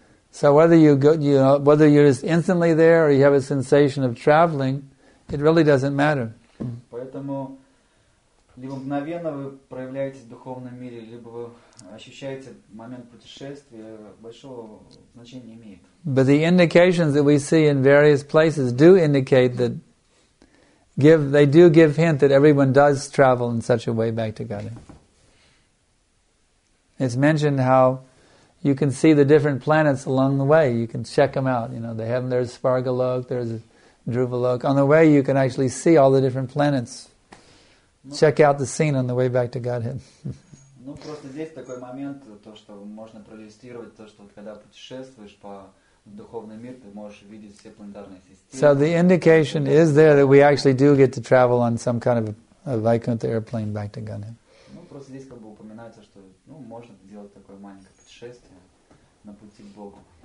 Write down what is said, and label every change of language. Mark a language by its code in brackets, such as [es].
[en] So whether you go, whether you're just instantly there or you have a sensation of traveling, it really doesn't matter. [ru] Поэтому Либо мгновенно вы проявляетесь в духовном мире, либо вы ощущаете момент путешествия, большого значения не имеет. [en] But the indications that we see in various places do indicate that they do give hint that everyone does travel in such a way back to Godhead. It's mentioned how you can see the different planets along the way. You can check them out. You know, they have, there's Svargalok, there's Dhruvalok. On the way, you can actually see all the different planets. Check out the scene on the way back to Godhead. [ru] Ну, просто здесь такой момент, то, что можно проиллюстрировать, то, что вот когда путешествуешь по духовному миру, ты можешь видеть все планетарные системы. [en] So the indication is there that we actually do get to travel on some kind of a Vaikuntha airplane back to Godhead. [ru] Ну, просто здесь как бы упоминается, что, ну, можно сделать такое маленькое путешествие на пути к Богу.